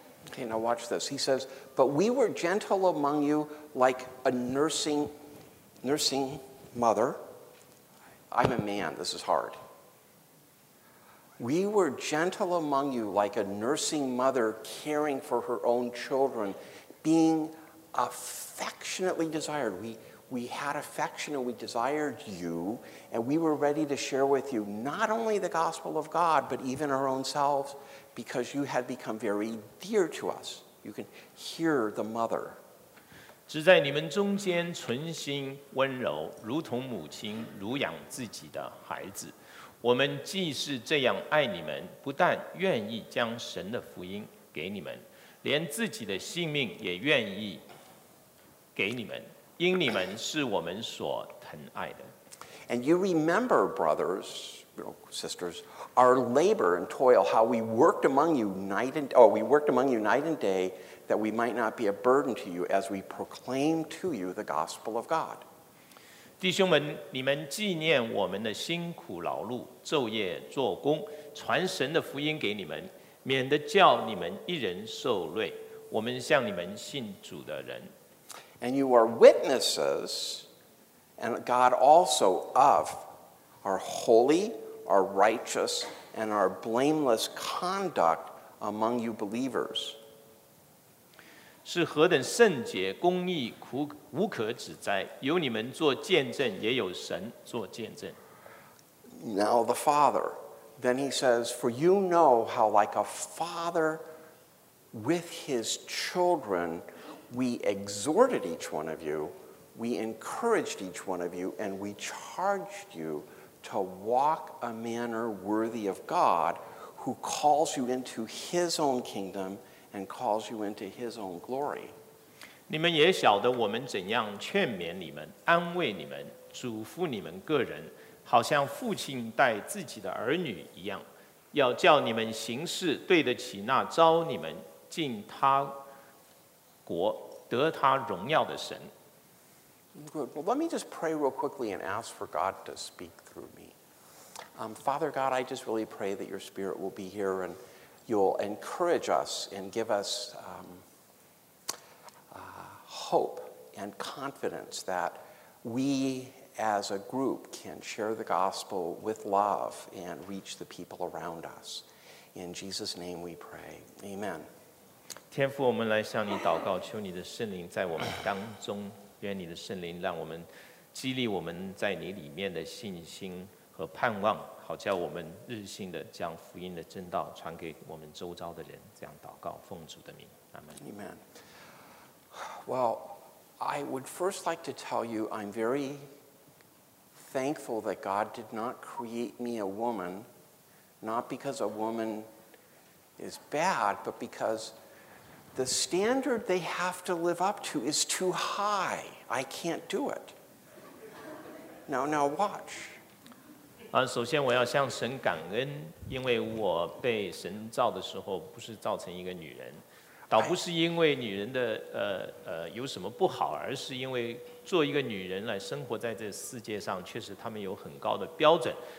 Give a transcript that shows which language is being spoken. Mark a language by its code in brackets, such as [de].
[en] Okay, now watch this. He says, "But we were gentle among you, like a nursing mother." I'm a man. This is hard. We were gentle among you, like a nursing mother caring for her own children, being affectionately desired. We had affection and we desired you, and we were ready to share with you not only the gospel of God, but even our own selves. Because you had become very dear to us. You can hear the mother. [zh] 只在你们中间存心温柔，如同母亲乳养自己的孩子。我们既是这样爱你们，不但愿意将神的福音给你们，连自己的性命也愿意给你们，因你们是我们所疼爱的。 [en] And you remember, brothers, sisters,our labor and toil, how we worked among you night and day that we might not be a burden to you as we proclaim to you the gospel of God. [zh] 弟兄们，你们纪念我们的辛苦劳碌，昼夜做工，传神的福音给你们，免得叫你们一人受累。我们向你们信主的人。 [en] And you are witnesses, and God also of our holy,our righteous and our blameless conduct among you believers. [zh] 是何等圣洁、公义、无可指摘，有你们做见证，也有神做见证。 [en] Now the Father. Then he says, for you know how like a father with his children, we exhorted each one of you, we encouraged each one of you, and we charged youto walk a manner worthy of God who calls you into his own kingdom and calls you into his own glory. [zh] 你们也晓得我们怎样劝勉你们，安慰你们，嘱咐你们个人，好像父亲带自己的儿女一样，要叫你们行事对得起那招你们进他国得他荣耀的神。 [en] Good. Well, let me just pray real quickly and ask for God to speak through me. Father God, I just really pray that your spirit will be here and you'll encourage us and give us hope and confidence that we as a group can share the gospel with love and reach the people around us. In Jesus' name we pray. Amen. [zh] 天父，我们来向你祷告，求你的圣灵在我们当中。愿你的圣灵让我们激励我们在你里面的信心和盼望，好叫我们日信的将福音的真道传给我们周遭的人。这样祷告，奉主的名，阿门。 [en] Amen. Well, I would first like to tell you I'm very thankful that God did not create me a woman, not because a woman is bad, but because the standard they have to live up to is too high. I can't do it. Now watch. [zh] 首先我要向神感恩，因为我被神造的时候不是造成一个女人，倒不是因为女人的有什么不好，而是因为做一个女人来生活在这世界上，确实他们有很高的标准。